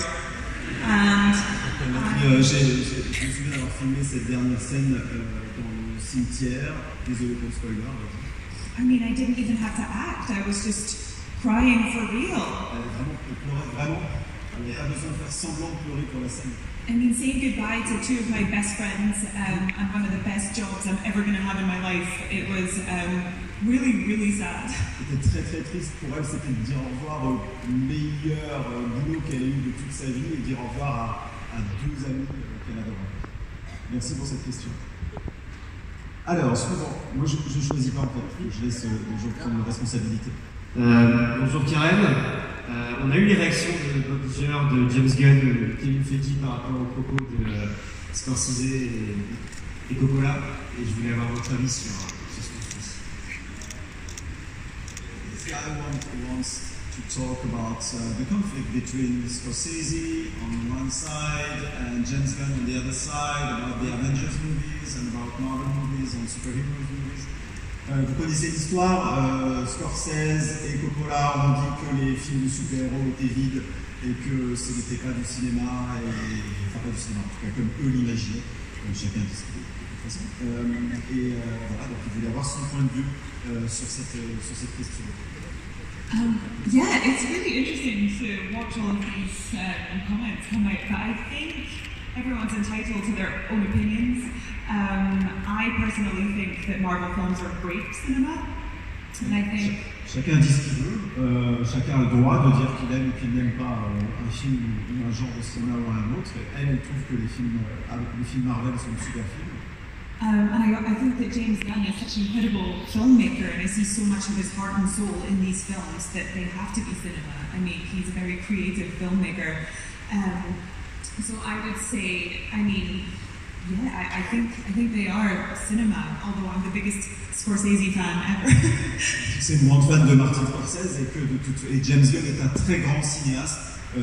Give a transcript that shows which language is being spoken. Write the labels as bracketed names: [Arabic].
[French] Je me souviens d'avoir filmé cette dernière scène dans le cimetière. Désolé pour le spoiler. [English] I mean, I didn't even have to act. I was just crying for real. [French] Vraiment, pleurer, vraiment. On n'a pas besoin de faire semblant de pleurer pour la scène. [English] And then saying goodbye to two of my best friends on one of the best jobs I'm ever going to have in my life. It was really, really sad. [French] C'était très, très triste pour elle, c'était de dire au revoir au meilleur boulot qu'elle a eu de toute sa vie et dire au revoir à deux amis qu'elle adorait. Merci pour cette question. Alors, suivant. Moi, je ne choisis pas en fait. Je laisse les gens prendre leurs responsabilités. Bonjour Karen. On a eu les réactions de Bob Iger, de James Gunn, de Kevin Feige par rapport aux propos de Scorsese et Coppola. Et je voulais avoir votre avis sur ce que je pense. [English] This guy wants to talk about the conflict between Scorsese on one side and James Gunn on the other side about the Avengers movies and about Marvel movies and superhero movies. [French] Vous connaissez l'histoire, Scorsese et Coppola ont dit que les films de super-héros étaient vides et que ce n'était pas du cinéma, enfin pas du cinéma, en tout cas comme eux l'imaginaient, comme chacun discuté de toute façon. Voilà, donc il voulait avoir son point de vue sur cette question. [English] Yeah, it's really interesting to watch all of these comments come out, but I think everyone's entitled to their own opinions. I personally think that Marvel films are great cinema, and I think [French] chacun dit ce qu'il veut. Chacun a le droit de dire qu'il aime ou qu'il n'aime pas un film ou un genre de cinéma ou un autre. Elle trouve que les films Marvel sont super films. [English] And I think that James Gunn is such an incredible filmmaker, and I see so much of his heart and soul in these films that they have to be cinema. I mean, he's a very creative filmmaker. So I would say, I think they are cinema, although I'm the biggest Scorsese fan ever. [French] C'est moins fan de Martin Scorsese et que de tout. Et James Gunn est un très grand cinéaste.